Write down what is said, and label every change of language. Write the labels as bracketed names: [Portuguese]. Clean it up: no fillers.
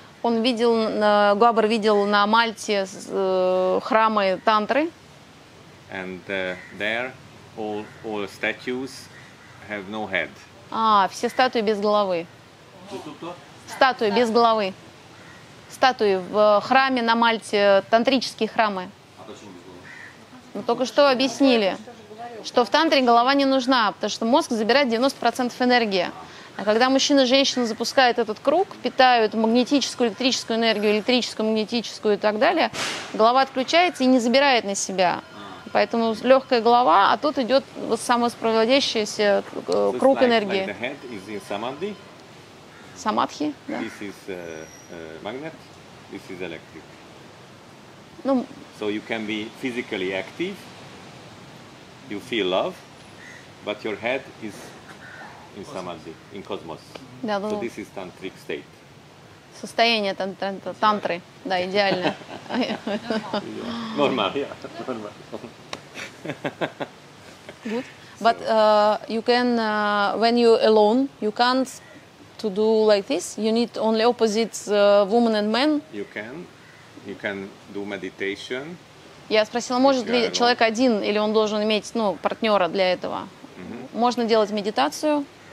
[Russian] Он видел, Габар видел на Мальте храмы тантры. [English] And there. All statues have no head. [Russian] А, все статуи без головы. Кто? Статуи без головы. Статуи в храме на Мальте, тантрические храмы. А почему без головы? Мы только что объяснили, что в тантре голова не нужна, потому что мозг забирает 90% энергии. А когда мужчина и женщина запускают этот круг, питают магнетическую, электрическую энергию, электрическую, магнетическую и так далее, голова отключается и не забирает на себя. Поэтому легкая голова, а тут идет самоспроводящийся круг [English] like, [Russian] энергии. [English] Like the head is in samadhi. [Russian] Самадхи, да. [English] This is magnet, this is electric. [Russian] Ну, [English] so you can be physically active, you feel love, but your head is in samadhi, in cosmos. [Russian] Да, ну, [English] so this is tantric state. [Russian] Состояние тантры, да, идеально. Нормально, да, нормально. [English] Good, but you can when you alone, you can't to do like this. You need only opposites, woman and man. You can do meditation. [Russian] Я спросила, может ли человек один или он должен иметь, ну, партнера для этого? Mm-hmm. Можно делать медитацию.